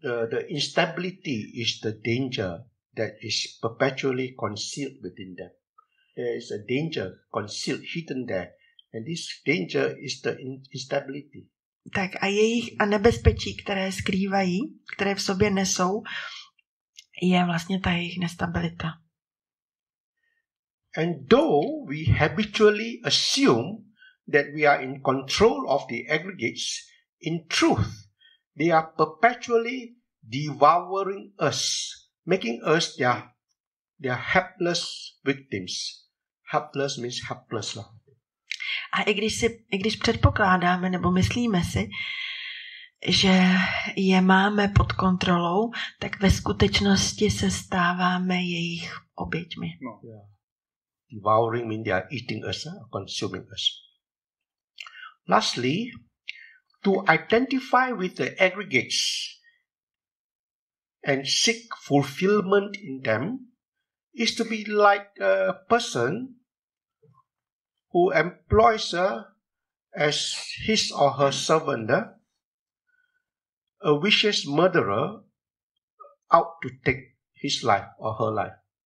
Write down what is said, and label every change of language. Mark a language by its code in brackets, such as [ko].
[en] The instability is the danger that is perpetually concealed within them. There is a danger concealed, hidden there. And this danger is the instability. [cs] Tak a jejich a nebezpečí, které skrývají, které v sobě nesou, je vlastně ta jejich nestabilita. [en] And though we habitually assume that we are in control of the aggregates, in truth, they are perpetually devouring us, making us their helpless victims. Helpless means helpless. [cs] A i když předpokládáme nebo myslíme si, že je máme pod kontrolou, tak ve skutečnosti se stáváme jejich oběťmi. [en] No. Yeah. Devouring means they are eating us, consuming us. Lastly, to identify with the aggregates and seek fulfillment in them is to be like a person who employs her as his or her servant, a vicious murderer out to take his life or her life.